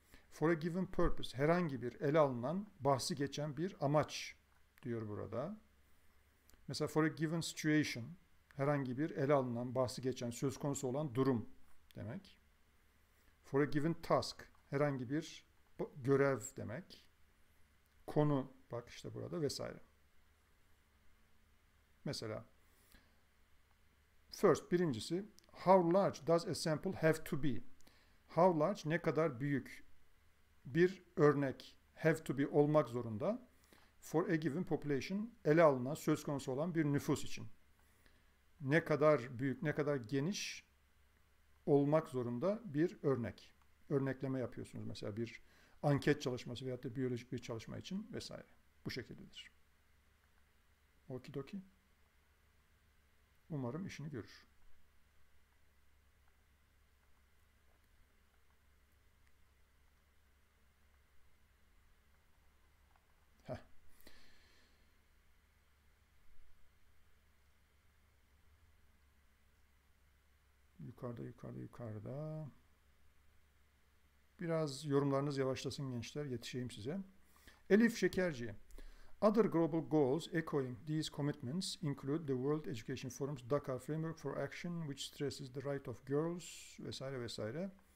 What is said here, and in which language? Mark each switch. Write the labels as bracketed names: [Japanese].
[English] For a given purpose, [Turkish] herhangi bir ele alınan, bahsi geçen bir amaç diyor burada. Mesela [English] for a given situation, [Turkish] herhangi bir ele alınan, bahsi geçen, söz konusu olan durum demek. [English] For a given task, [Turkish] herhangi bir görev demek. Konu, bak işte burada vesaire. [English] Mesela first, birincisi, how large does a sample have to be? How large, [Turkish] ne kadar büyük bir örnek [English] have to be [Turkish] olmak zorunda [English] for a given population, [Turkish] ele alınan, söz konusu olan bir nüfus için. Ne kadar büyük, ne kadar geniş olmak zorunda bir örnek. Örnekleme yapıyorsunuz mesela bir anket çalışması veyahut da biyolojik bir çalışma için vesaire. Bu şekildedir. Okidoki. Umarım işini görür. Yukarıda, yukarıda, yukarıda. Biraz yorumlarınız yavaşlasın gençler, yetişeyim size. Elif Şekerci. [English] Other global goals echoing these commitments include the World Education Forum's Dhaka Framework for Action, which stresses the right of girls [Turkish] vesaire vesaire.